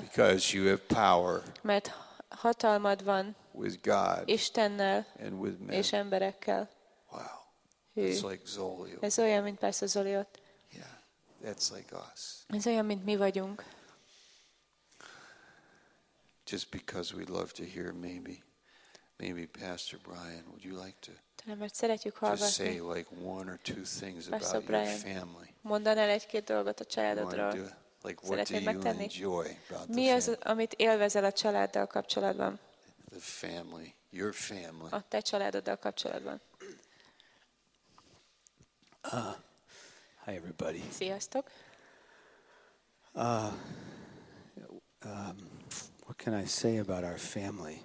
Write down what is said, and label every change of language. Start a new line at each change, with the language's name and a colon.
English: Because you have power.
Hungarian: Mert hatalmad van.
English: With God.
Hungarian: Istennel.
English: And with men.
Hungarian: És emberekkel.
English: Wow. It's like Zolio.
Hungarian: Ez olyan, mint persze Zoliot.
English: That's like us.
Hungarian: Ez olyan, mint mi vagyunk.
English: Just because we'd love to hear, maybe Pastor Brian, would you like to just say like one or two things about your family?
Hungarian: Mondanál egy-két dolgot a családodról.
English: Like what do you enjoy about the family?
Hungarian: Mi az, amit élvezel a családdal kapcsolatban?
English: The family, your family.
Hungarian: A te családoddal kapcsolatban.
English: Hi everybody.
Hungarian: Sziasztok.
English: What can I say about our family?